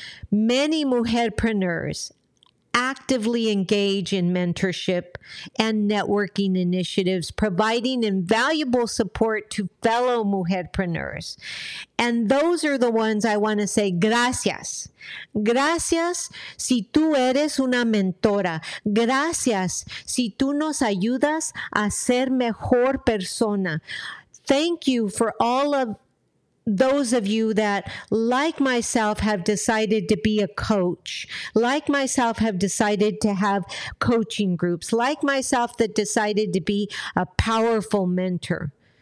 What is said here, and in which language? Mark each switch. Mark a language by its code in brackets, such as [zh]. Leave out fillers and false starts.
[en] Many mujerpreneurs actively engage in mentorship and networking initiatives, providing invaluable support to fellow mujerpreneurs. And those are the ones I want to say gracias. [es] Gracias si tú eres una mentora. Gracias si tú nos ayudas a ser mejor persona. [en] Thank you for all of those of you that, like myself, have decided to be a coach, like myself, have decided to have coaching groups, like myself, that decided to be a powerful mentor.